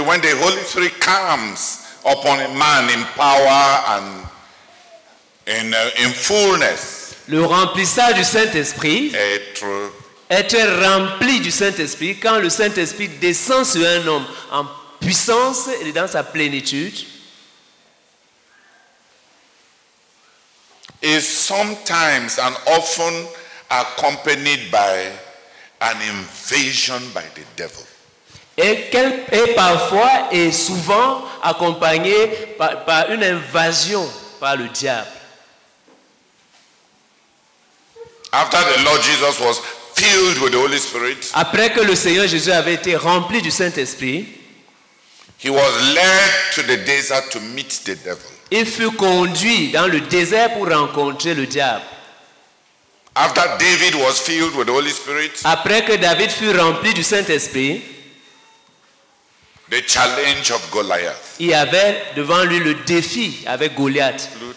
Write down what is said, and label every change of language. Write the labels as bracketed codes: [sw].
[en] when the Holy Spirit comes upon a man in power and in fullness. [fr] Le remplissage du Saint-Esprit être rempli du Saint-Esprit quand le Saint-Esprit descend sur un homme en puissance et dans sa plénitude [en] is sometimes and often accompanied by an invasion by the devil. [fr] Et parfois et souvent accompagné par une invasion par le diable. [en] After the Lord Jesus was filled with the Holy Spirit, [fr] après que le Seigneur Jésus avait été rempli du Saint-Esprit, [en] he was led to the desert to meet the devil. [fr] Il fut conduit dans le désert pour rencontrer le diable. [en] After David was filled with the Holy Spirit, [fr] après que David fut rempli du Saint-Esprit, [en] the challenge of Goliath. [fr] Il y avait devant lui le défi avec Goliath.